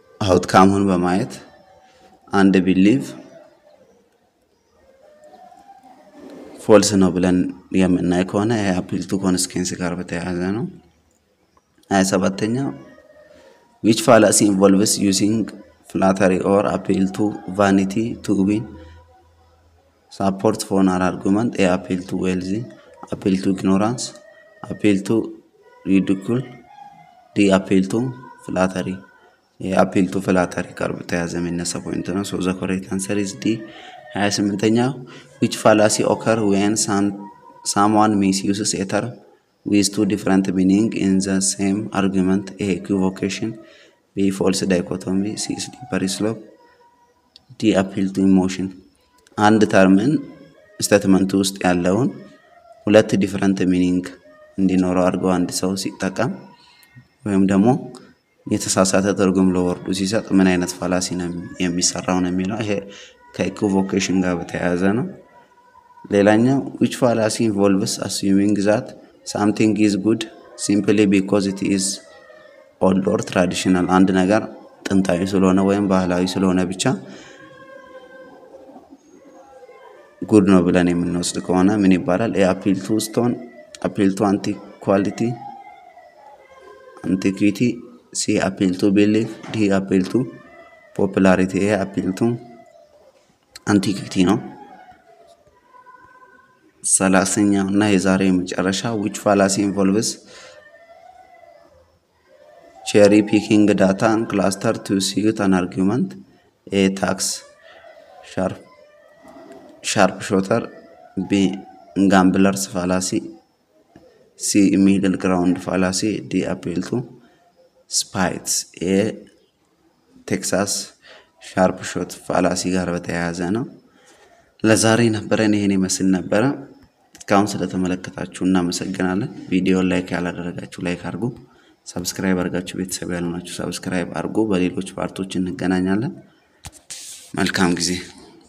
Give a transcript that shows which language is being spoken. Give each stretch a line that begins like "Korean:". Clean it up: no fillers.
Amharic: outcome-ን በማየት and believe ፎልስ ነው ብለን የምናይ ከሆነ የአፒል ቱ ኮንስኬንስ ጋር በተያያዘ ነው። 27ኛ
English: which fallacy involves using flattery or appeal to vanity to win support for an argument? A appeal to wealth, appeal to ignorance, appeal to ridicule, D appeal to flattery.
Amharic: የአፒል ቱ ፍላተሪ ጋር በተያያዘ የሚነሳ ፖይንት ነው።
English: ሶ ዘ ኮሬክት አንሰር ኢዝ D. 28ኛ which fallacy occur when someone misuses a term with two different meanings in the same argument? A equivocation, B false dichotomy, C slippery slope, D appeal to emotion.
Amharic: And determine statement ውስጥ ያለውን ሁለት different meaning እንዲኖረው አድርጎ አንድ ሰው ሲጠቀም ወይም ደግሞ የተሳሳተ ትርጉም ለወርዱ ሲሰጥ ምን አይነት ፋላሲ ነው የሚሰራው ነው የሚለው። ይሄ ከኢኩቮኬሽን ጋር በተያያዘ ነው። ሌላኛው
English: which fallacy involves assuming that something is good simply because it is old or traditional?
Amharic: አንድ ነገር ጥንታዊ ስለሆነ ወይም ባህላዊ ስለሆነ ብቻ good ነው ብለን የምንወስድ ከሆነ ምን ይባላል?
English: appeal to stone, appeal to antiquity, antiquity, C appeal to belief, D appeal to popularity. A appeal to antiquity ነው።
Amharic: 30ኛው እና የዛሬ የመጨረሻ
English: which fallacy involves cherry picking data and cluster to suit an argument? A tax sharpshooter, B gambler's fallacy, C middle ground fallacy, D appeal to spites.
Amharic: A Texas sharpshoot fallacy ጋር በተያያዘ ነው። ለዛሬ ነበረን ይሄን ይመስል ነበረ። ካም ስለተመለከታችሁ እና መሰግናለን። ቪዲዮ ላይክ ያላደረጋችሁ ላይክ አድርጉ። ሰብስክራይብ አድርጋችሁ ቤተሰብ ያልሆናችሁ ሰብስክራይብ አድርጉ። በሌሎች ፓርቶች እንገናኛለን። መልካም ጊዜ።